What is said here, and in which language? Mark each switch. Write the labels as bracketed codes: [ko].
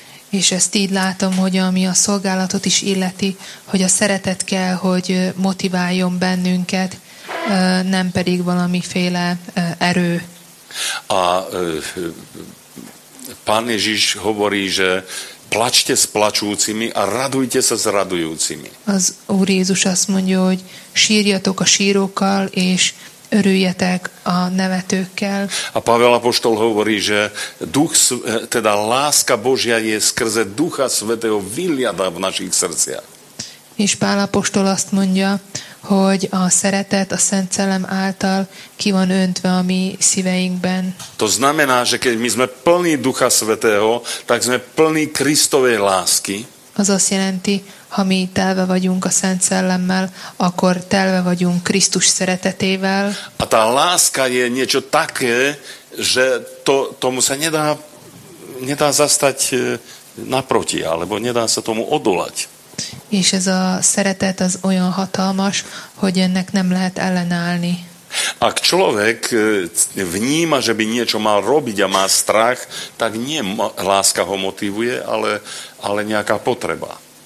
[hu] És ezt így látom, hogy ami a szolgálatot is illeti, hogy a szeretet kell, hogy motiváljon bennünket, nem pedig valamiféle erő. [sk] A Pán Ježiš hovorí, že plačte s plačúcimi a radujte sa s radujúcimi. [hu] Az Úr Jézus azt mondja, hogy sírjatok a sírókkal, és örüljetek a nevetőkkel. [sk] A Pavel apoštol hovorí, že duch, teda láska Božia je skrze Ducha Svätého vyliada v našich srdciach. [hu] És Pál apoštol azt mondja, hogy a szeretet a Szent Szellem által ki van öntve a mi szíveinkben. [sk] To znamená, že keď my sme plní Ducha Svätého, tak sme plní Kristovej lásky. [hu] Az azt jelenti, ha mi telve vagyunk a Szent Szellemmel, akkor telve vagyunk Krisztus szeretetével. [sk] A tá láska je niečo také, že tomu sa nedá zastať naproti, alebo nedá sa tomu odolať. [hu] És ez a szeretet az olyan hatalmas, hogy ennek nem lehet ellenállni. [sk] Ak človek vníma, že by niečo mal robiť a má strach, tak nie láska ho motivuje, ale nejaká potreba.